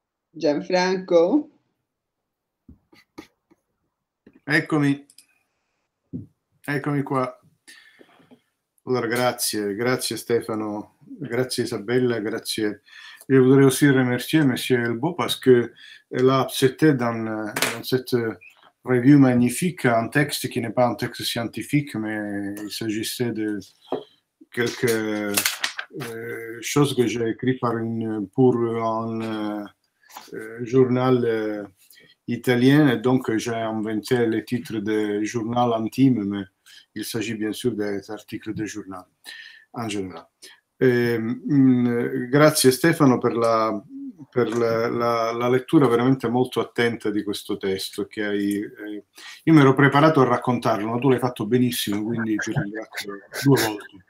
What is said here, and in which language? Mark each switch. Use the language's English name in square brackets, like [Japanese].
[Italian] Gianfranco? Eccomi qua. Allora, grazie Stefano, grazie Isabella, grazie. [French] Je voudrais aussi remercier Monsieur Elbeau parce que là, c'était dans cette revue magnifique un texte qui n'est pas un texte scientifique, mais il s'agissait de quelques choses que j'ai écrites pour un journal italien. Et donc, j'ai inventé le titre de journal intime, mais il s'agit bien sûr des articles de journal en général. [Italian] Grazie Stefano per la per la lettura veramente molto attenta di questo testo che hai. Io mi ero preparato a raccontarlo, ma tu l'hai fatto benissimo, quindi ti ringrazio due volte.